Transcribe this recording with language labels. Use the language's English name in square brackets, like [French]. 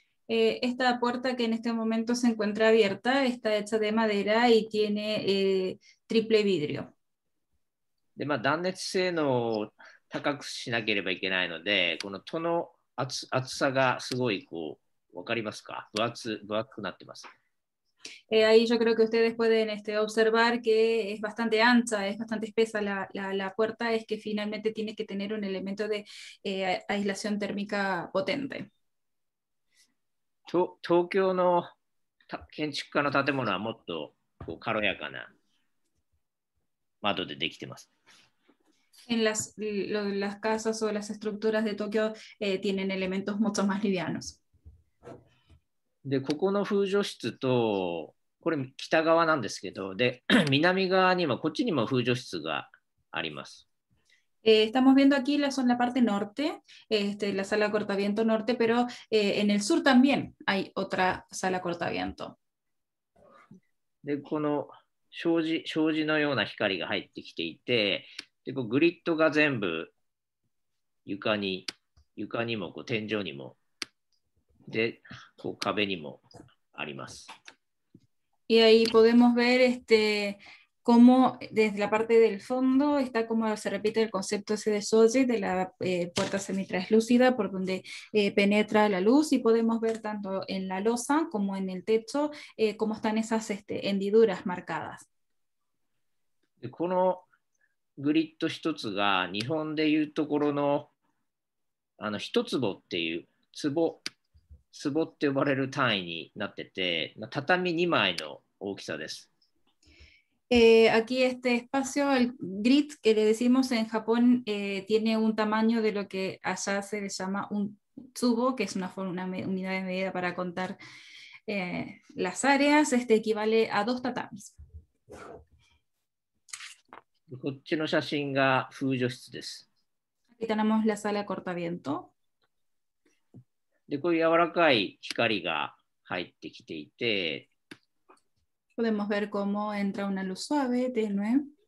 [Spanish] Esta puerta que en este momento se encuentra abierta está hecha de madera y tiene triple vidrio. [Japanese] で、まあ、断熱性能を高くしなければいけないので、この戸の厚さがすごいこう、わかりますか？分厚くなってます。 [Spanish] Ahí yo creo que ustedes pueden observar que es bastante ancha, es bastante espesa la puerta, es que finalmente tiene que tener un elemento de aislación térmica potente. [Japanese] Tokio no, 建築家の建物はもっとこう軽やかな窓でできてます。 [Spanish] En las casas o las estructuras de Tokio tienen elementos mucho más livianos. [Japanese] でここの風除室とこれ北側なんですけどで南側にもこっちにも風除室があります。 [Spanish] Estamos viendo aquí la zona parte norte, la sala cortaviento norte, pero en el sur también hay otra sala cortaviento. [Japanese] でこの障子のような光が入ってきていてでこうグリッドが全部床にもこう天井にも。でこう壁にもあります。 [Spanish] Y ahí podemos ver cómo desde la parte del fondo está como se repite el concepto ese de Soji de la puerta semitranslúcida por donde penetra la luz y podemos ver tanto en la losa como en el techo cómo están esas hendiduras marcadas. [Japanese] このグリッド一つが日本でいうところの一坪っていう坪。壺って呼ばれる単位になってて、畳2枚の大きさです。 [Spanish] Aquí este espacio, el grid que le decimos en Japón, tiene un tamaño de lo que allá se le llama un tsubo, que es una forma, una unidad de medida para contar las áreas, este equivale a dos tatamis. Aquí tenemos la sala cortaviento. [Japanese] でこう柔らかい光が入ってきていて [Spanish] podemos ver cómo entra una luz suave tenue.